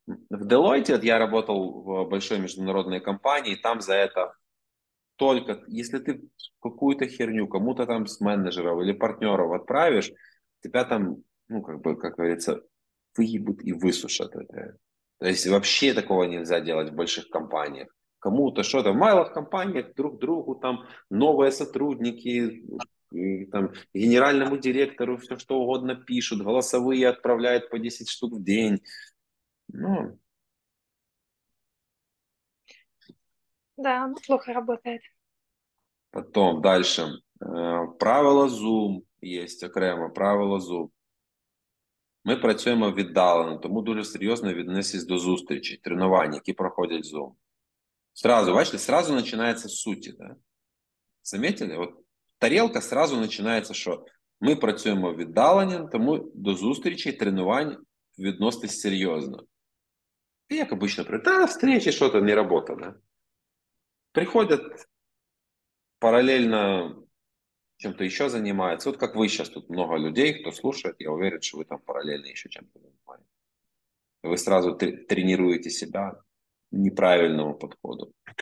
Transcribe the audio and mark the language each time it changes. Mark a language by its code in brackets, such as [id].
[uk] В Deloitte, от я працював в великій міжнародній компанії, там за це тільки, якщо ти якусь херню кому-то там з менеджерів або партнерів відправиш, [ru] тебя там, ну, как бы, как говорится, выебут и высушат. То есть вообще такого нельзя делать в больших компаниях. Кому-то что-то. В малых компаниях друг другу там новые сотрудники, там генеральному директору все что угодно пишут, голосовые отправляют по 10 штук в день. Ну. Да, оно плохо работает. Потом дальше. Правила Zoom есть окремо, правила Zoom. [uk] Ми працюємо віддалено, тому дуже серйозно віднесись до зустрічей, тренувань, які проходять Zoom. [ru] Сразу, [uk] бачите, сразу починається з суті. Да? Замітили? От тарілка сразу починається, що ми працюємо віддалено, тому до зустрічей, тренувань відноситись серйозно. І як обично, та зустрічі, що то не робота. [ru] Да? [uk] Приходять паралельно [ru] чем-то еще занимается. Вот как вы сейчас, тут много людей, кто слушает, я уверен, что вы там параллельно еще чем-то занимаетесь. Вы сразу тренируете себя неправильному подходу.